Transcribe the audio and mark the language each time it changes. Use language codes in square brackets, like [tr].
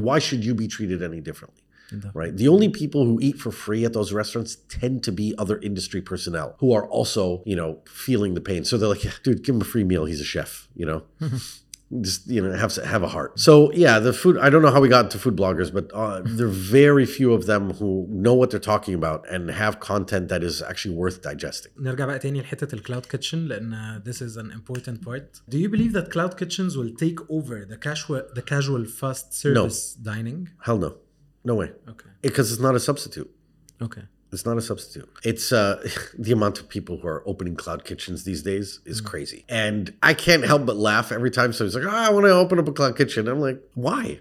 [en] Why should you be treated any differently? Right. The only people who eat for free at those restaurants tend to be other industry personnel who are also, you know, feeling the pain. So they're like, yeah, dude, give him a free meal. He's a chef, you know, just, you know, have a heart. So, yeah, the food, I don't know how we got to food bloggers, but there are very few of them who know what they're talking about and have content that is actually worth digesting. [ar] نرجع بقى تاني لحتة الكلاود كيتشن لأن [en] this is an important part. Do you believe that cloud kitchens will take over the casual fast service dining? Hell no. No way. Okay. Because it's not a substitute. Okay. It's not a substitute. It's the amount of people who are opening cloud kitchens these days is crazy. And I can't help but laugh every time somebody's like, I want to open up a cloud kitchen. I'm like, why?